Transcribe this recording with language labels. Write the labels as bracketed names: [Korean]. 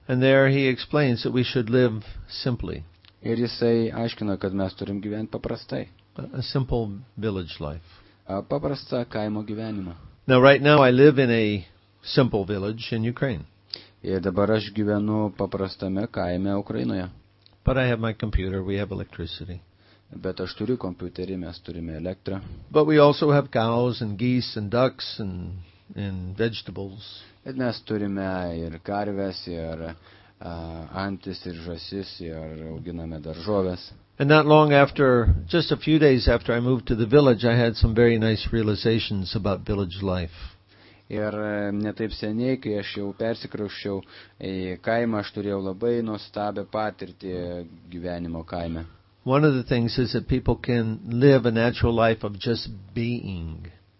[English] And there he explains that we should live simply. [Lithuanian] Ir jisai aiškina, kad mes turim gyventi paprastai. [English] A simple village life. [Lithuanian] Paprastą kaimo gyvenimą. [English] Now right now I live in a simple village in Ukraine. [Lithuanian] Ir dabar aš gyvenu paprastame kaime Ukrainoje. [English] But I have my computer, we have electricity. [Lithuanian] Bet aš turiu kompiuterį, mes turime elektrą. [English] But we also have cows and geese and ducks and vegetables. [Lithuanian] Bet mes turime ir karves, ir antis, ir žasis, ir auginame daržoves. [English] And not long after, just a few days after I moved to the village, I had some very nice realizations about village life. [Lithuanian] Ir ne taip seniai, kai aš jau persikrausčiau į kaimą, aš turėjau labai nuostabią patirtį gyvenimo kaime. [English] One of the things is that people can live a natural life of just being.